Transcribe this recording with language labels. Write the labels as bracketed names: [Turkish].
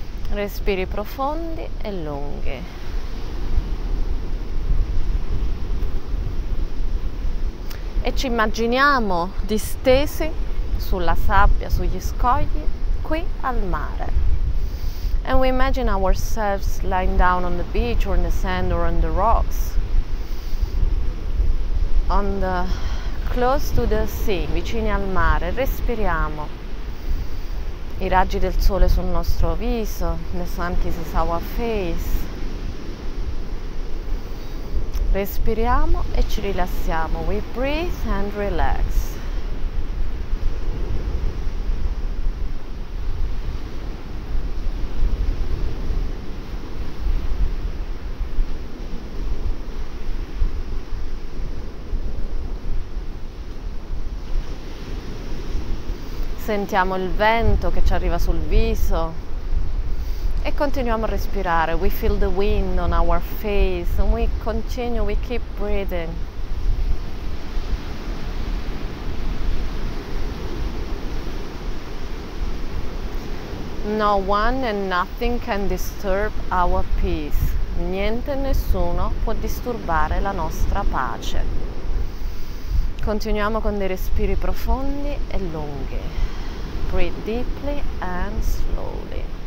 [Italian] Respiri profondi e lunghi. E ci immaginiamo distesi sulla sabbia, sugli scogli, qui al mare. [English] And we imagine ourselves lying down on the beach or in the sand or on the rocks. On the close to the sea, [Italian] vicini al mare, respiriamo. I raggi del sole sul nostro viso, [English] the sun kisses our face. [Italian] Respiriamo e ci rilassiamo. [English] We breathe and relax. [Italian] Sentiamo il vento che ci arriva sul viso e continuiamo a respirare. [English] We feel the wind on our face and we continue, we keep breathing. No one and nothing can disturb our peace. [Italian] Niente e nessuno può disturbare la nostra pace. Continuiamo con dei respiri profondi e lunghi. [English] Breathe deeply and slowly.